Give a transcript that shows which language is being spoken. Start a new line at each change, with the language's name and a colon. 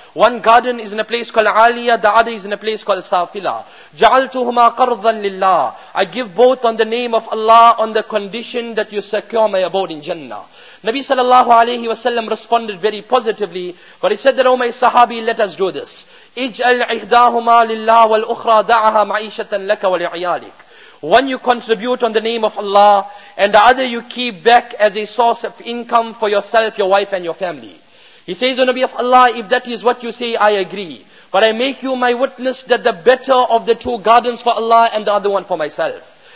English: One garden is in a place called Aliya, the other is in a place called Safila.
Arabic: جَعَلْتُهُمَا قَرْضًا لِلَّهِ.
English: I give both on the name of Allah on the condition that you secure my abode in Jannah. Nabi sallallahu alayhi wa sallam responded very positively, but he said that, O my Sahabi, let us do this.
Arabic: اجعل عهداهما لله والأخرى دعها معيشة لك ولعيالك.
English: One you contribute on the name of Allah, and the other you keep back as a source of income for yourself, your wife and your family. He says, O Nabi of Allah, if that is what you say, I agree. But I make you my witness that the better of the two gardens for Allah and the other one for myself.